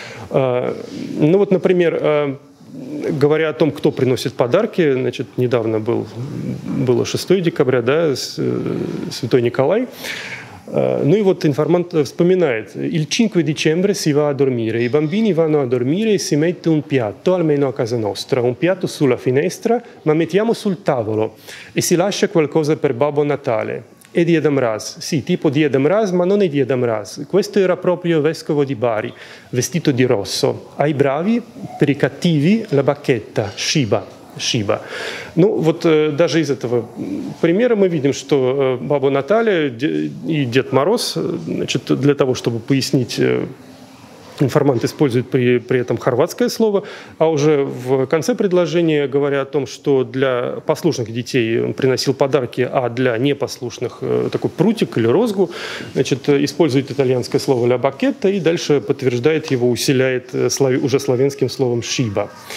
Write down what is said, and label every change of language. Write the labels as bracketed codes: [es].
[ru] Ну вот, например, говоря о том, кто приносит подарки, значит, недавно было 6 декабря, да, Святой Николай. Ну и вот информант вспоминает: [it] «Il 5 dicembre si va a dormire, i bambini vanno a dormire e si mette un piatto, almeno a casa nostra, un piatto sulla finestra, ma mettiamo sul tavolo e si lascia qualcosa per Babbo Natale». E Dieda Mraz, sì, tipo Dieda Mraz, ma non è Dieda Mraz. Questo era proprio vescovo di Bari, vestito di rosso. Ai bravi, per i cattivi, la bacchetta, Shiba, Shiba. [ru] Ну, вот даже из этого примера мы видим, что Баба Наталья и Дед Мороз, значит, для того, чтобы пояснить, информант использует при этом хорватское слово, а уже в конце предложения, говоря о том, что для послушных детей он приносил подарки, а для непослушных такой прутик или розгу, значит, использует итальянское слово «la bacchetta» и дальше подтверждает его, усиляет уже словенским словом «шиба».